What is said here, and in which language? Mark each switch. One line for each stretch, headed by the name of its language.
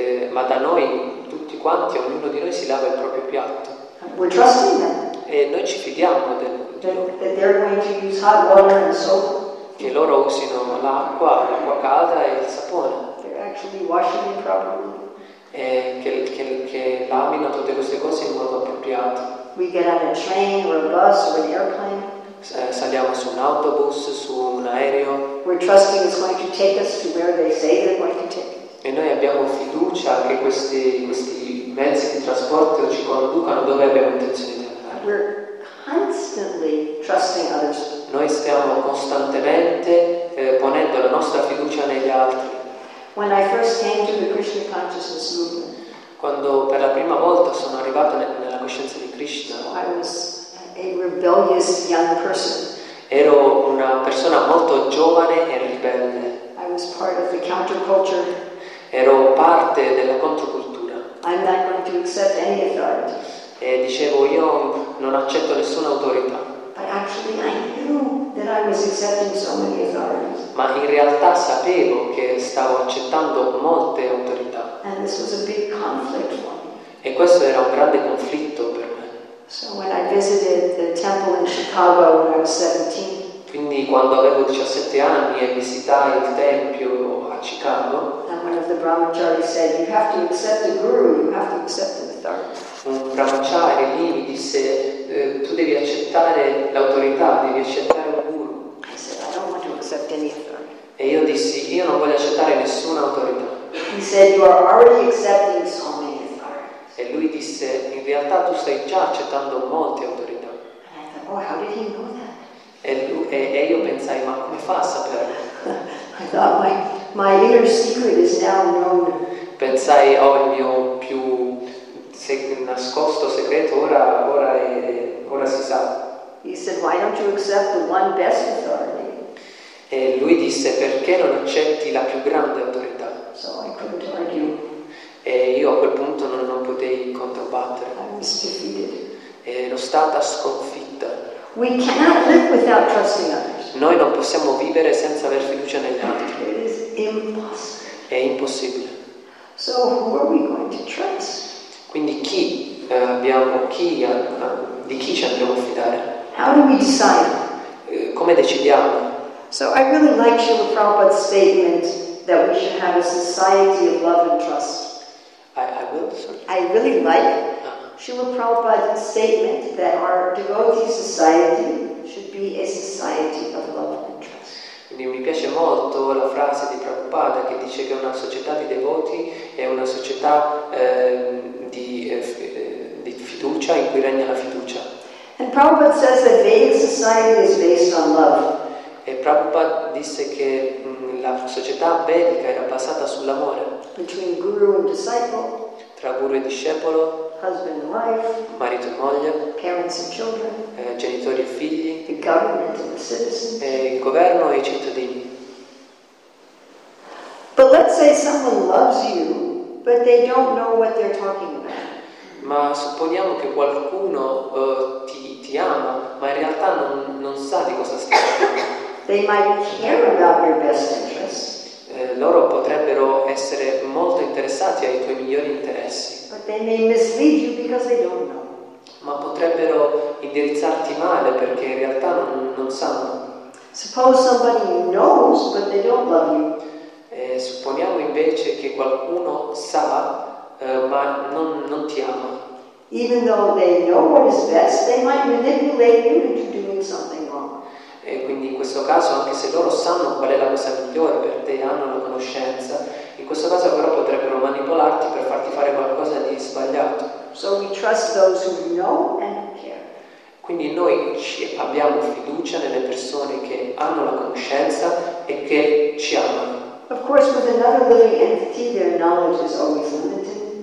Italian: Ma da noi tutti quanti, ognuno di noi si lava il proprio piatto.
English: We're trusting them.
Italian: E noi ci fidiamo del
English: that they're going to use hot water and soap.
Italian: Che loro usino l'acqua calda e il sapone.
English: They're actually washing it properly.
Italian: E che lamino tutte queste cose in modo appropriato.
English: We get on a train or a bus or an airplane.
Italian: Saliamo su un autobus, su un aereo.
English: We're trusting it's going to take us to where they say they're going to take us.
Italian: E noi abbiamo fiducia che questi mezzi di trasporto ci conducano dove abbiamo intenzione di andare.
English: We're constantly trusting others.
Italian: Noi stiamo costantemente ponendo la nostra fiducia negli altri.
English: When I first came to the Krishna consciousness movement,
Italian: quando per la prima volta sono arrivato nella coscienza di Krishna,
English: I was a rebellious young person.
Italian: Ero una persona molto giovane e ribelle.
English: I was part of the counterculture.
Italian: Ero parte della controcultura.
English: I'm not going to accept any authority.
Italian: E dicevo, io non accetto nessuna autorità.
English: Actually, I knew that I was accepting so many authorities.
Italian: Ma in realtà sapevo che stavo accettando molte autorità.
English: And this was a big conflict for me.
Italian: E questo era un grande conflitto per me.
English: So when I visited the temple in Chicago when I was 17.
Italian: Quindi quando avevo 17 anni e visitai il tempio a Chicago.
English: And one of the brahmacharis said, "You have to accept the guru. You have to accept the authority."
Italian: Un brahmacharya lì mi disse, tu devi accettare l'autorità, devi accettare un guru.
English: I said, I don't want to accept any authority.
Italian: E io dissi, io non voglio accettare nessuna autorità.
English: He said, you are already accepting so many authorities.
Italian: E lui disse, in realtà tu stai già accettando molte autorità.
English: And I thought, oh, how did he know that?
Italian: E io pensai, ma come fa a saperlo?
English: I thought, my inner secret is now known.
Italian: Pensai, oh, il mio più nascosto segreto ora si sa.
English: He said, why don't you accept the one best authority?
Italian: E lui disse, perché non accetti la più grande autorità?
English: So I couldn't argue.
Italian: E io a quel punto non potei controbattere.
English: I was defeated.
Italian: Ero stata sconfitta.
English: We cannot live without trusting others.
Italian: Noi non possiamo vivere senza aver fiducia negli altri.
English: It is impossible.
Italian: È impossibile.
English: So who are we going to trust?
Italian: Quindi di chi ci andremo a fidare?
English: How do we decide?
Italian: Come decidiamo?
English: So I really like Srila Prabhupada's statement that we should have a society of love and trust. I really like Srila Prabhupada's statement that our devotee society should be a society of love and trust.
Italian: Quindi mi piace molto la frase di Prabhupada che dice che una società di devoti è una società di fiducia in cui regna la fiducia.
English: And Prabhupada says that Vedic society is based on love.
Italian: E Prabhupada disse che la società vedica era basata sull'amore.
English: Between guru and disciple.
Italian: Tra guru e discepolo.
English: Husband and wife.
Italian: Marito e moglie.
English: Parents and children.
Italian: Genitori e figli.
English: The government and the citizens.
Italian: E il governo e i cittadini.
English: But let's say someone loves you, but they don't know what they're talking about.
Italian: Ma supponiamo che qualcuno ti ama, ma in realtà non sa di cosa stai parlando.
English: They might care about your best interests.
Italian: Loro potrebbero essere molto interessati ai tuoi migliori interessi.
English: But they may mislead you because they don't know.
Italian: Ma potrebbero indirizzarti male perché in realtà non sanno.
English: Suppose somebody knows but they don't love you.
Italian: Supponiamo invece che qualcuno sa ma non ti ama.
English: Even though they know what is best, they might manipulate you into doing something wrong.
Italian: E quindi in questo caso, anche se loro sanno qual è la cosa migliore per te, hanno la conoscenza, in questo caso però potrebbero manipolarti per farti fare qualcosa di sbagliato.
English: So we trust those who know and who care.
Italian: Quindi noi abbiamo fiducia nelle persone che hanno la conoscenza
English: with another living entity, their knowledge is always limited.